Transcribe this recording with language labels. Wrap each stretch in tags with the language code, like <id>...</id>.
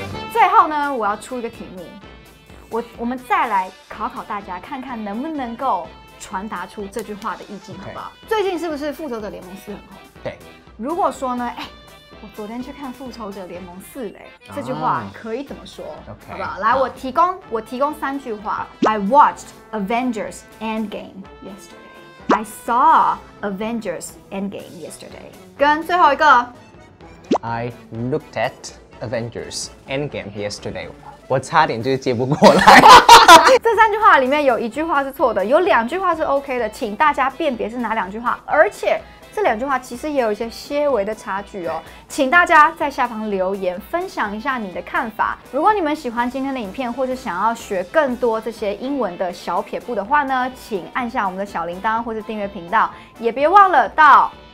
<zh>最后呢，我要出一个题目，我们再来考考大家，看看能不能够传达出这句话的意境，好不好？</zh> <en>Okay.</en> <zh>最近是不是复仇者联盟四很红？对，如果说呢，哎，我昨天去看复仇者联盟四嘞，这句话可以怎么说？</zh> <en>Okay.</en> <zh>好不好？来，我提供三句话。</zh> <en>I watched Avengers Endgame yesterday. I saw Avengers Endgame yesterday.</en> <zh>跟最后一个。</zh> <en>I looked at Avengers Endgame yesterday.</en> <zh>我差点就是接不过来这三句话里面有一句话是错的，有两句话是 OK 的，请大家辨别是哪两句话，而且这两句话其实也有一些些微的差距哦，请大家在下方留言分享一下你的看法。如果你们喜欢今天的影片，或是想要学更多这些英文的小撇步的话呢，请按下我们的小铃铛或是订阅频道，也别忘了到</zh>